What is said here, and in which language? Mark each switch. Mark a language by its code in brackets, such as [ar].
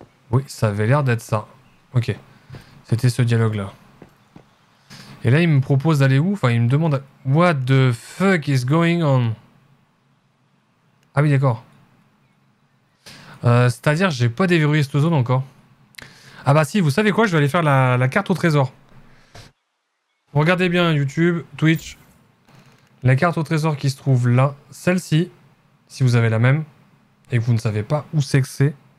[fr] Oui, ça avait l'air d'être ça. Ok. C'était ce dialogue-là. Et là, il me propose d'aller où? Enfin, il me demande... [en] What the fuck is going on? [fr] Ah oui, d'accord. C'est-à-dire, j'ai pas déverrouillé cette zone encore. Ah bah si, vous savez quoi? Je vais aller faire la carte au trésor. Regardez bien YouTube, Twitch. La carte au trésor qui se trouve là. Celle-ci, si vous avez la même. Et que vous ne savez pas où c'est que c'est.